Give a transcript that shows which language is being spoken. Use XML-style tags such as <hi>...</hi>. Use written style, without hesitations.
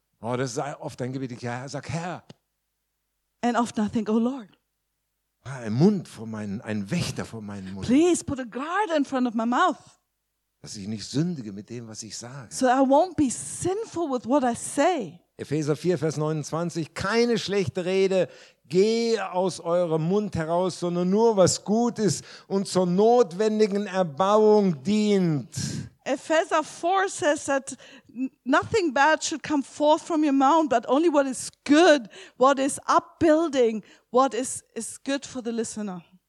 <de>Oh, das ist oft ein Gebet. Ich sage, Herr.</de> <en>And often I think, oh Lord.</en> <de>Ein Mund vor meinen, ein Wächter vor meinen Mund.</de> <en>Please put a guard in front of my mouth.</en> <de>Dass ich nicht sündige mit dem, was ich sage.</de> <en>So I won't be sinful with what I say.</en> <de>Epheser 4, Vers 29, keine schlechte Rede gehe aus eurem Mund heraus, sondern nur, was gut ist und zur notwendigen Erbauung dient.</de> <en>Epheser 4 says that nothing bad should come forth from your mouth, but only what is good, what is upbuilding, what is good for the listener.</en>